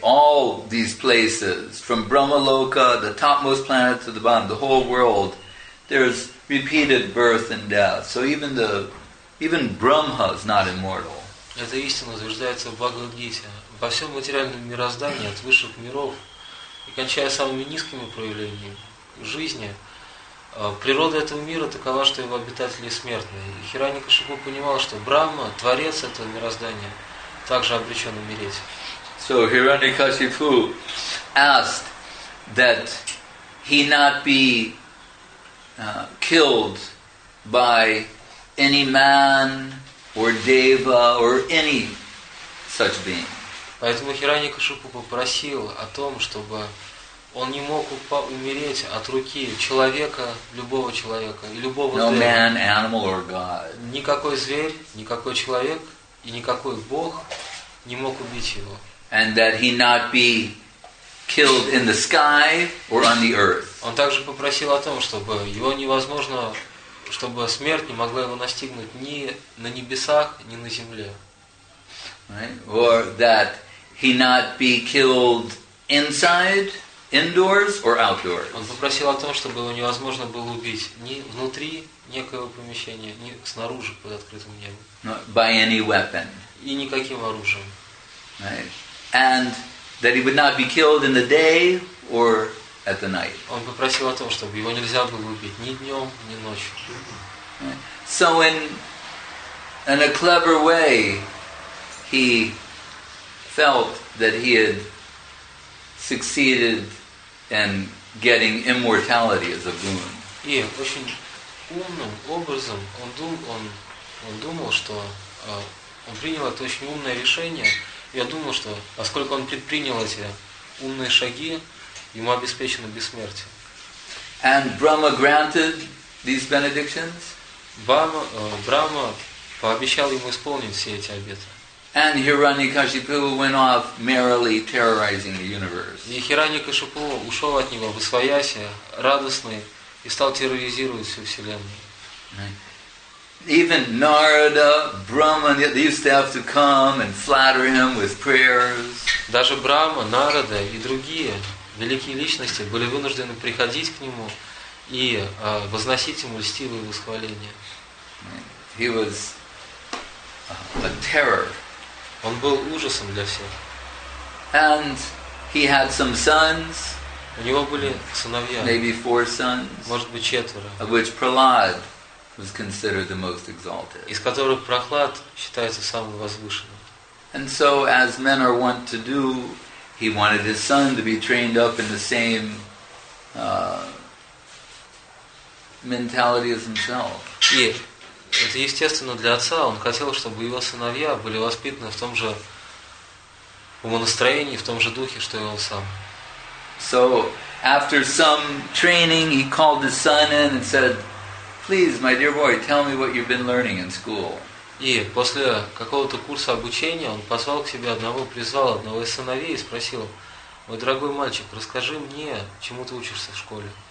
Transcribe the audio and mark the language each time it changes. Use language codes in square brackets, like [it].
[en] All these places, from Brahmaloka, the topmost planet to the bottom, the whole world, there's repeated birth and death. So even Brahma is not immortal. [ru] Эта истина утверждается в Бхагавад Гите. Во всем материальном мироздании, от высших миров и кончая самыми низкими проявлениями жизни, природа этого мира такова, что его обитатели смертны. И Хираньякашипу понимал, что Брахма, творец этого мироздания, также обречен умереть. [en] So Hiranyakashipu asked that he not be killed by any man or deva or any such being. [ru] Поэтому Хираньякашипу попросил о том, чтобы он не мог умереть от руки человека, любого человека и любого [en] Man, animal, or God. [ru] Никакой зверь, никакой человек и никакой бог не мог убить его. [en] And that he not be killed in the sky or on the earth. [ru] Он также попросил о том, чтобы его невозможно, чтобы смерть не могла его настигнуть ни на небесах, ни на земле. [en] Right? Or that he not be killed inside, indoors, or outdoors. [ru] Он попросил о том, чтобы его невозможно было убить ни внутри некоего помещения, ни снаружи под открытым небом. [en] No, by any weapon. [ru] И никаким оружием. [en] Right. And that he would not be killed in the day or at the night. [ru] Он попросил о том, чтобы его нельзя было убить ни днем, ни ночью. [en] Right. So in a clever way, he felt that he had succeeded in getting immortality as a boon. [ru] И очень умным образом он думал, что он принял это очень умное решение. Я думал, что поскольку он предпринял эти умные шаги, ему обеспечено бессмертие. [en] And Brahma granted these benedictions. [ru] Брама пообещал ему исполнить все эти обеты. [en] And Hiranyakashipu went off merrily terrorizing the universe. [ru] И Хираньякашипу ушел от него, высвоясь, радостный, и стал терроризировать всю вселенную. [en] Even Narada, Brahman used to have to come and flatter him with prayers. [ru] Даже Брама, Нарада и другие великие личности были вынуждены приходить к нему и возносить ему льстивые восхваления. [en] He was a terror. [ru] Он был ужасом для всех. [en] And he had some sons. [ru] У него были сыновья. [en] Maybe four sons. [ru] Может быть, четверо. [en] Of which Prahlad was considered the most exalted. [ru] Из которых Прохлад считается самым возвышенным. [en] And so, as men are wont to do, he wanted his son to be trained up in the same mentality as himself. [ru] Это естественно для отца. Он хотел, чтобы его сыновья были воспитаны в том же умонастроении, в том же духе, что и он сам. [en] So after some training, he called his son in and said, "Please, my dear boy, tell me what you've been learning in school." [ru] И после какого-то курса обучения он позвал к себе одного, призвал одного из сыновей и спросил: "Мой дорогой мальчик, расскажи мне, чему ты учишься в школе?"